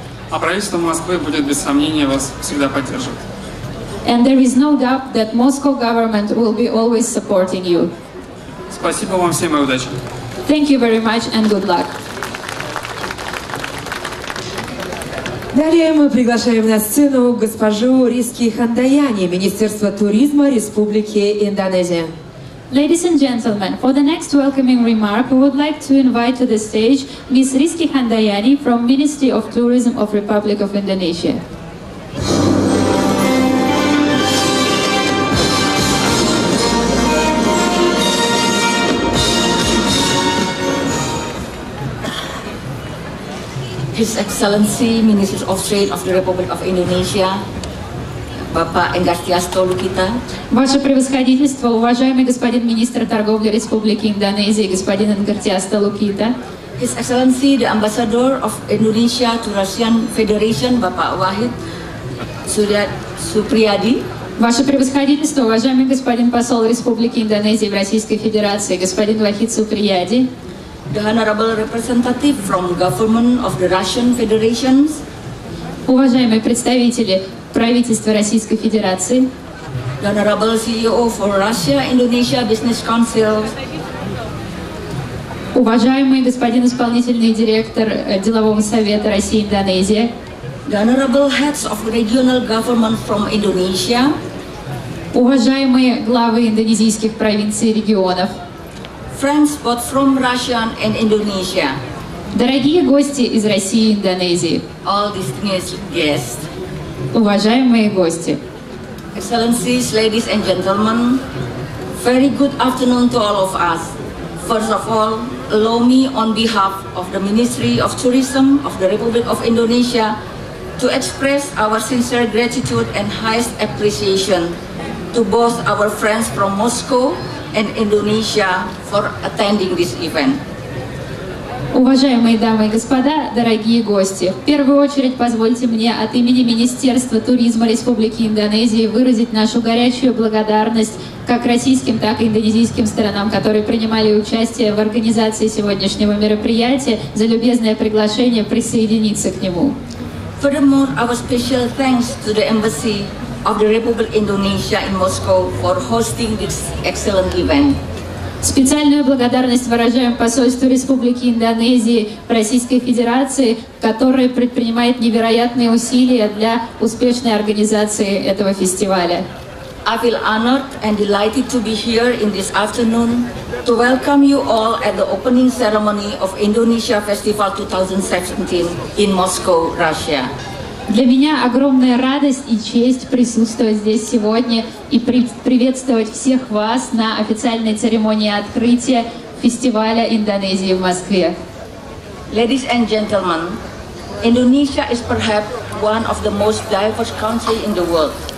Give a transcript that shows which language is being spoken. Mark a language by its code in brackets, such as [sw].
[ru] А правительство Москвы будет без сомнения вас всегда поддерживать. [en] And there is no doubt that Moscow government will be always supporting you. [ru] Спасибо вам всем и удачи. [en] Thank you very much and good luck. [ru] Далее мы приглашаем на сцену госпожу Риски Хандаяни, Министерство туризма Республики Индонезия. [en] Ladies and gentlemen, for the next welcoming remark, we would like to invite to the stage Ms. Riski Handayani from Ministry of Tourism of Republic of Indonesia. His Excellency, Minister of Trade of the Republic of Indonesia, Bapak Enggar Tiasto Lukita. [ru] Ваше превосходительство, уважаемый господин министр торговли Республики Индонезии, господин Энгар Тиасто Лукита. [en] His Excellency the Ambassador of Indonesia to Russian Federation, Bapak Wahid Supriyadi. [ru] Ваше превосходительство, уважаемый господин посол Республики Индонезии в Российской Федерации, господин Вахид Суприяди. [en] The Honorable Representative from Government of the Russian Federation. [ru] Уважаемые представители правительства Российской Федерации. [en] The Honorable CEO for Russia-Indonesia Business Council. [ru] Уважаемый господин исполнительный директор делового совета России и Индонезии. [en] Honorable heads of regional government from Indonesia. [ru] Уважаемые главы индонезийских провинций и регионов. [en] Friends both from Russia and Indonesia. [ru] Дорогие гости из России и Индонезии. [en] All distinguished guests. [ru] Уважаемые гости. [en] Excellencies, ladies and gentlemen, very good afternoon to all of us. First of all, allow me on behalf of the Ministry of Tourism of the Republic of Indonesia to express our sincere gratitude and highest appreciation to both our friends from Moscow and Indonesia for attending this event. [ru] Уважаемые дамы и господа, дорогие гости, в первую очередь позвольте мне от имени Министерства туризма Республики Индонезии выразить нашу горячую благодарность как российским, так и индонезийским сторонам, которые принимали участие в организации сегодняшнего мероприятия, за любезное приглашение присоединиться к нему. [en] Furthermore, our special thanks to the Embassy of the Republic of Indonesia in Moscow for hosting this excellent event. [ru] Специальную благодарность выражаем посольству Республики Индонезии в Российской Федерации, которое предпринимает невероятные усилия для успешной организации этого фестиваля. [en] I feel honored and delighted to be here in this afternoon to welcome you all at the opening ceremony of Indonesia Festival 2017 in Moscow, Russia. [ru] Для меня огромная радость и честь присутствовать здесь сегодня и приветствовать всех вас на официальной церемонии открытия фестиваля Индонезии в Москве. [en] Ladies and gentlemen, Indonesia is perhaps one of the most diverse countries in the world.